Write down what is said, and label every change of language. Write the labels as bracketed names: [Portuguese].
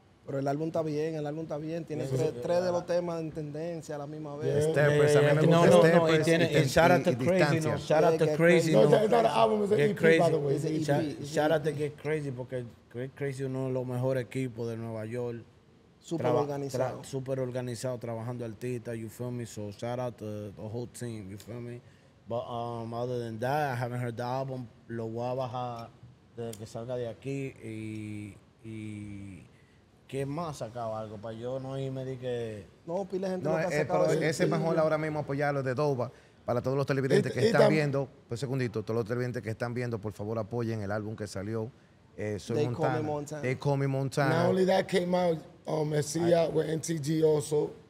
[Spanish] Pero el álbum está bien, el álbum está bien. Tiene tres de los temas en tendencia a la misma vez. Steppers, a mí me gusta Steppers. No, no, y Shout Out to Crazy, no. Shout Out to Crazy, no. Es el álbum, es el EP, [English] by the way. [Spanish] Shout Out to Get Crazy, porque Get Crazy es uno de los mejores equipos de Nueva York. Súper organizado. Súper organizado, trabajando artista, [English] you feel me? So, shout out to the whole team, you feel me? But other than that, I haven't heard the album. [Spanish] Lo voy a bajar desde que salga de aquí y ¿quién más sacaba algo? Para yo no irme de que... No, pila gente no ha sacado. Ese es mejor ahora mismo apoyarlo de Dova. Para todos los televidentes que están viendo, pues segundito, todos los televidentes que están viendo, por favor apoyen el álbum que salió. Soy Montana. [English] They Call Me Montana. Not only that came out, Messiah with NTG also.